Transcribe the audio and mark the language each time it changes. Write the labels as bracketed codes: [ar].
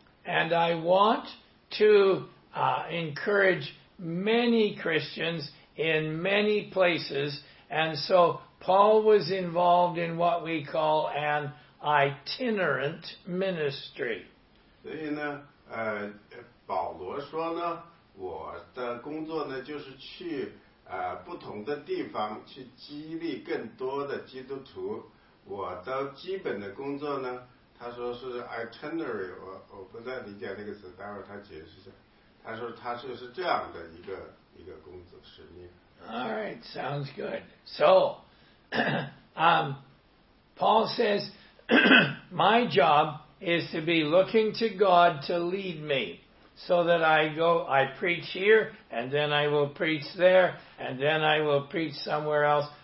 [en] And I want to encourage many Christians in many places, and so Paul was involved in what we call an itinerant ministry. [zh] 所以呢, 保罗说呢, 我的工作呢就是去 不同的地方去激励更多的基督徒 我的基本的工作呢 他说是itinerary 我不太理解那个词 待会儿他解释一下 他说他就是这样的一个工作使命 [en] Alright, sounds good. So, Paul says my job is to be looking to God to lead me so that I go, I preach here, and then I will preach there, and then I will preach somewhere else.